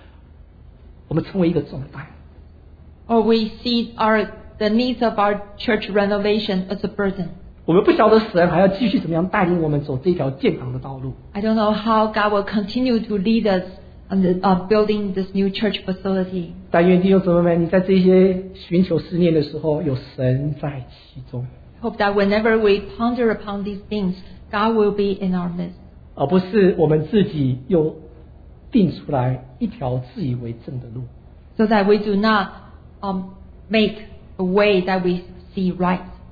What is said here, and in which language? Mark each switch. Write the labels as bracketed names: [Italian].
[Chinese] 我们是不是对于前面我们殿堂所有一切的需要我们觉得哎呀我们成为一个重担? [English] Or we see our, the needs of our church renovation as a burden. [Chinese] 我们不晓得神还要继续怎么样带领我们走这条殿堂的道路。 [English] I don't know how God will continue to lead us on the, building this new church facility. [Chinese] 但愿弟兄姊妹们你在这些寻求思念的时候有神在其中。 [English] Hope that whenever we ponder upon these things, God will be in our midst. [Chinese] 而不是我们自己又定出来一条自以为正的路。 [English] So that we do not make a way that we see right.